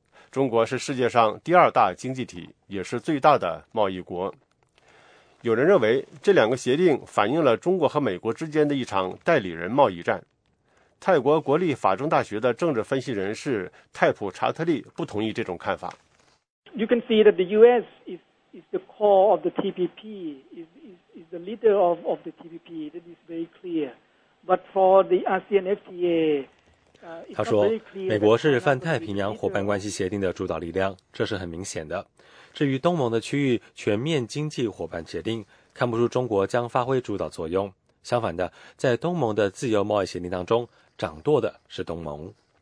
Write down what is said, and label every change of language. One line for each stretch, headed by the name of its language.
Chinese: 中国是世界上第二大经济体，也是最大的贸易国。有人认为，这两个协定反映了中国和美国之间的一场代理人贸易战。泰国国立法政大学的政治分析人士泰普查特利不同意这种看法。
English: You can see that the U.S. is the core of the TPP, is the leader of the TPP. That is very clear. But for the ASEAN FTA,
Chinese: 他说，美国是泛太平洋伙伴关系协定的主导力量，这是很明显的。至于东盟的区域全面经济伙伴协定，看不出中国将发挥主导作用。相反的，在东盟的自由贸易协定当中，掌舵的是东盟。